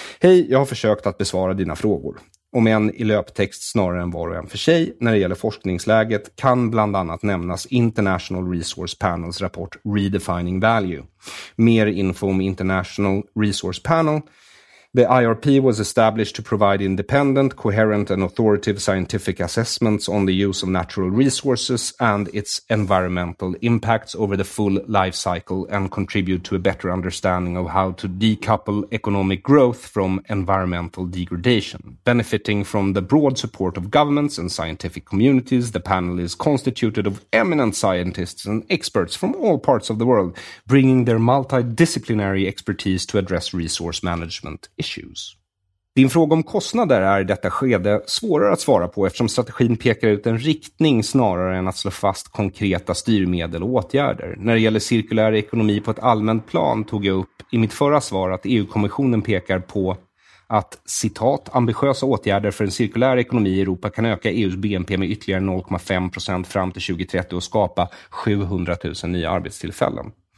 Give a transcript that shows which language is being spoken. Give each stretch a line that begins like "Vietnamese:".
Swedish: Hej, jag har försökt att besvara dina frågor. Om än i löptext snarare än var och en för sig. När det gäller forskningsläget kan bland annat nämnas International Resource Panels rapport Redefining Value. Mer info om International Resource Panel.
English: The IRP was established to provide independent, coherent and authoritative scientific assessments on the use of natural resources and its environmental impacts over the full life cycle and contribute to a better understanding of how to decouple economic growth from environmental degradation. Benefiting from the broad support of governments and scientific communities, the panel is constituted of eminent scientists and experts from all parts of the world, bringing their multidisciplinary expertise to address resource management issues.
Swedish: Din fråga om kostnader är i detta skede svårare att svara på eftersom strategin pekar ut en riktning snarare än att slå fast konkreta styrmedel och åtgärder. När det gäller cirkulär ekonomi på ett allmänt plan tog jag upp i mitt förra svar att EU-kommissionen pekar på att, citat, ambitiösa åtgärder för en cirkulär ekonomi i Europa kan öka EUs BNP med ytterligare 0,5% fram till 2030 och skapa 700 000 nya arbetstillfällen.